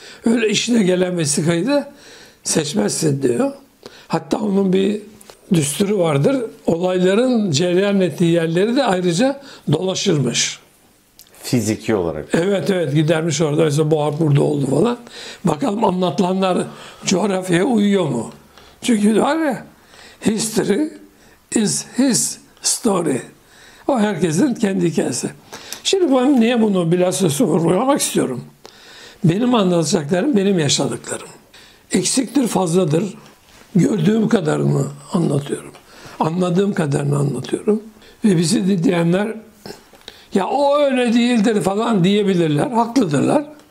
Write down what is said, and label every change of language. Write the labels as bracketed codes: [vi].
[tr] Öyle işine gelen vesikayı da seçmezsin diyor. Hatta onun bir düsturu vardır. Olayların cereyan ettiği yerleri de ayrıca dolaşırmış. Fiziki olarak. Evet evet, gidermiş orada. Mesela bu harp burada oldu falan. Bakalım anlatılanlar coğrafyaya uyuyor mu? Çünkü var ya, [en] history is his story. [tr] O herkesin kendi hikayesi. Şimdi ben niye bunu biraz vurgulamak istiyorum? Benim anlatacaklarım, benim yaşadıklarım. Eksiktir, fazladır. Gördüğüm kadarını anlatıyorum. Anladığım kadarını anlatıyorum. Ve bizi dinleyenler, ya o öyle değildir falan diyebilirler, haklıdırlar.